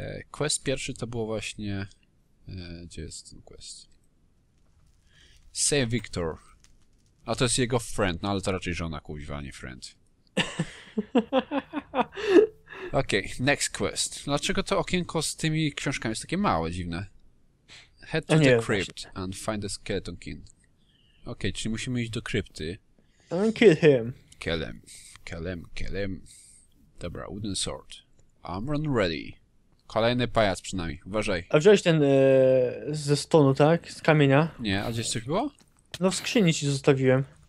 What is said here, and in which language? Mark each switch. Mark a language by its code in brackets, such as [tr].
[pl] Quest pierwszy to było właśnie... gdzie jest ten quest? [en] Save Victor. [pl] A to jest jego friend, no ale to raczej żona, kuźwa, nie friend. Okej, okay, [en] next quest. [pl] Dlaczego to okienko z tymi książkami jest takie małe, dziwne? [en] Head to the crypt and find the skeleton king. [pl] Okej, czyli musimy iść do krypty. [en] And kill him. Kill him. Dobra, wooden sword. Armor ready. [pl] Kolejny pajac przynajmniej, uważaj. A wziąłeś ten ze stonu, tak? Z kamienia? Nie, a gdzieś coś było? No w skrzyni ci zostawiłem.